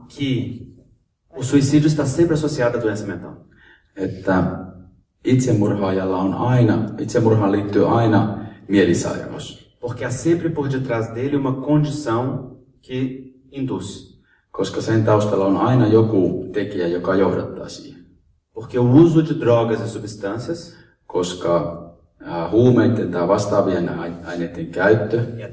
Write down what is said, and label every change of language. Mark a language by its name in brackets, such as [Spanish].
[Portuguese] que o suicídio está sempre associado à doença mental. [Finnish] Että itsemurhaajalla on aina, itsemurhaan liittyy aina mielisairaus. [Portuguese] Porque há sempre por detrás dele uma condição que induz. [Finnish] Koska sen taustalla on aina joku tekijä, joka johdattaa siihen. [Portuguese] Porque o uso de drogas e substâncias, [Finnish] koska huumeiden tai vastaavien aineiden käyttö,